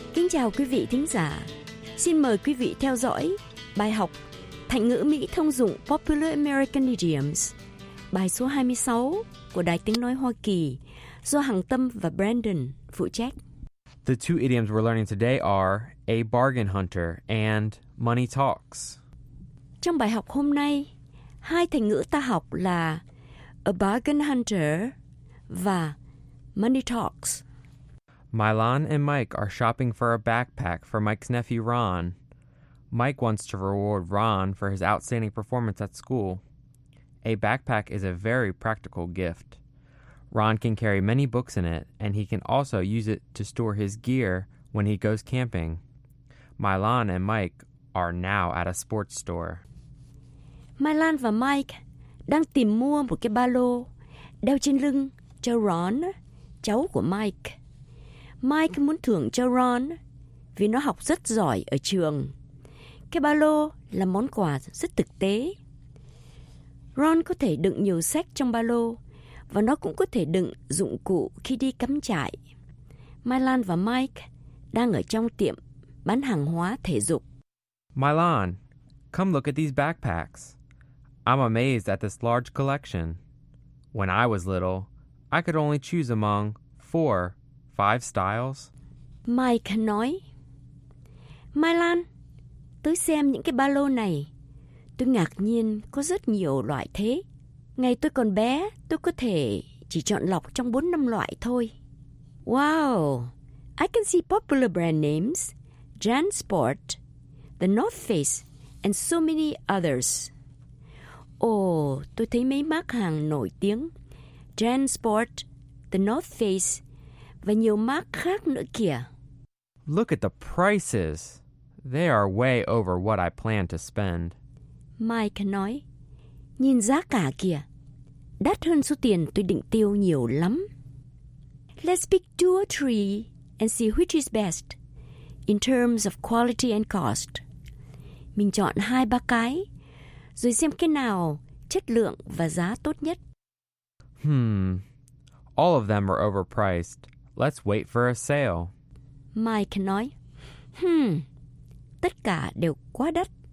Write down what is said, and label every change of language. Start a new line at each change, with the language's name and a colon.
Vietnamese: Chào quý vị thính giả. Xin mời quý vị theo dõi Bài học: Thành ngữ Mỹ thông dụng
English: Popular American Idioms.
Vietnamese: Bài số 26 của Đài Tiếng Nói Hoa Kỳ do Hằng Tâm và Brandon phụ trách.
English: The two idioms we're learning today are a bargain hunter and money talks.
Vietnamese: Trong bài học hôm nay, hai thành ngữ ta học là
English: a bargain hunter
Vietnamese: và
English: money talks. Milan and Mike are shopping for a backpack for Mike's nephew Ron. Mike wants to reward Ron for his outstanding performance at school. A backpack is a very practical gift. Ron can carry many books in it, and he can also use it to store his gear when he goes camping. Milan and Mike are now at a sports store.
Vietnamese: Milan và Mike đang tìm mua một cái ba lô đeo trên lưng cho Ron, cháu của Mike. Mike muốn thưởng cho Ron vì nó học rất giỏi ở trường. Cái ba lô là món quà rất thực tế. Ron có thể đựng nhiều sách trong ba lô và nó cũng có thể đựng dụng cụ khi đi cắm trại. Milan và Mike đang ở trong tiệm bán hàng hóa thể dục.
English: Milan, come look at these backpacks. I'm amazed at this large collection. When I was little, I could only choose among 4-5 styles.
Vietnamese: Mike nói, Milan, tôi xem những cái ba lô này. Tôi ngạc nhiên có rất nhiều loại thế. Ngày tôi còn bé, tôi có thể chỉ chọn lọc trong 4-5 loại thôi.
English: Wow, I can see popular brand names, JanSport, The North Face, and so many others.
Vietnamese: Tôi thấy mấy mác hàng nổi tiếng, JanSport, The North Face, và nhiều mác khác nữa kìa.
English: Look at the prices. They are way over what I plan to spend.
Vietnamese: Mike nói, nhìn giá cả kìa, đắt hơn số tiền tôi định tiêu nhiều lắm.
English: Let's pick two or three and see which is best in terms of quality and cost.
Vietnamese: Mình chọn 2-3 cái, rồi xem cái nào chất lượng và giá tốt nhất.
English: All of them are overpriced. Let's wait for a sale.
Vietnamese: Mike nói, tất cả đều quá đắt.